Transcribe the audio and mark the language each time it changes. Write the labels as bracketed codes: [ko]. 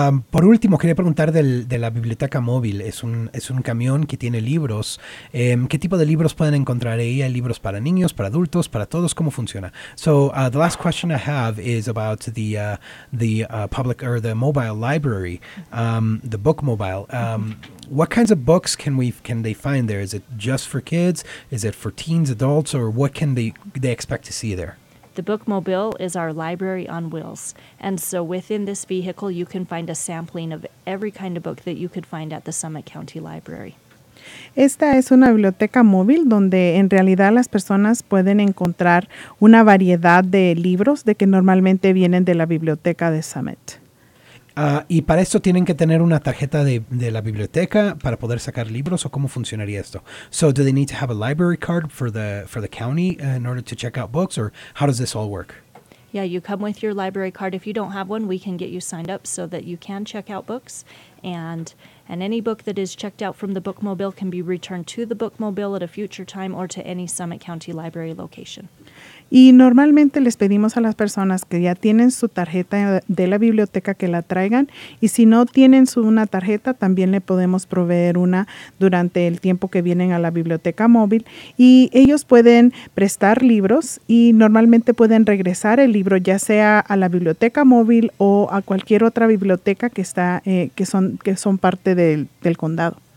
[es] Por último, quería preguntar de la biblioteca móvil. Es un camión que tiene libros. ¿Qué tipo de libros pueden encontrar ahí? ¿Hay libros para niños, para adultos, para todos? ¿Cómo funciona? [en] So the last question I have is about the mobile library, the book mobile. What kinds of books can they find there? Is it just for kids? Is it for teens, adults, or what can they expect to see there? The Bookmobile is our library on wheels, and so within this vehicle you can find a sampling of every kind of book that you could find at the Summit County Library. [es] Esta es una biblioteca móvil donde en realidad las personas pueden encontrar una variedad de libros de que normalmente vienen de la biblioteca de Summit. Y para esto tienen que tener una tarjeta de la biblioteca para poder sacar libros, ¿o cómo funcionaría esto? [en] So do they need to have a library card for the county in order to check out books, or how does this all work? Yeah, you come with your library card. If you don't have one, we can get you signed up so that you can check out books. And any book that is checked out from the Bookmobile can be returned to the Bookmobile at a future time or to any Summit County Library location. [es] Y normalmente les pedimos a las personas que ya tienen su tarjeta de la biblioteca que la traigan. Y si no tienen una tarjeta, también le podemos proveer una durante el tiempo que vienen a la biblioteca móvil. Y ellos pueden prestar libros y normalmente pueden regresar el libro ya sea a la biblioteca móvil o a cualquier otra biblioteca que está que son parte del condado.